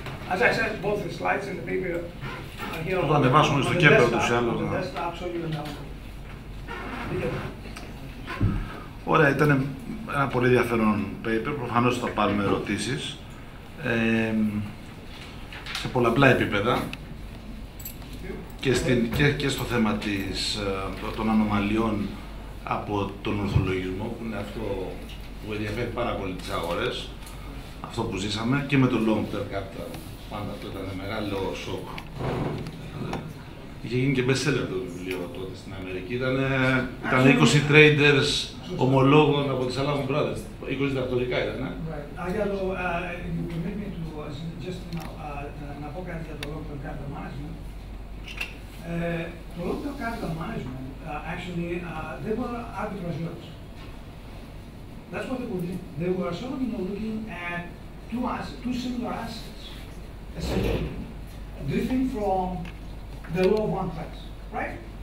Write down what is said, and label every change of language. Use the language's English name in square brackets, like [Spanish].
[English] As I said, both the slides and the paper are here on the desktop. On the desktop, so you can download. [Greek] Ωραία, ήταν ένα πολύ ενδιαφέρον paper. Προφανώς θα πάρουμε ερωτήσεις. Σε πολλαπλά επίπεδα και, και στο θέμα της, των ανομαλιών από τον ορθολογισμό που είναι αυτό που ενδιαφέρει πάρα πολύ τις αγορές, αυτό που ζήσαμε και με το long term capital, πάντα αυτό ήταν μεγάλο σοκ. Είχε γίνει και best-seller το βιβλίο τότε στην Αμερική, ήταν 20 traders ομολόγων από τις Allahman Brothers, 20 διδακτορικά ήταν, ναι. [English] Αγιάλο, you permit me to, just now, [Greek] να πω κάτι για το [English] long-term capital management. Το long-term capital management, actually, they were arbitrage yields. That's what they were doing. They were sort of, looking at two similar assets, essentially, drifting from the low of one price, right?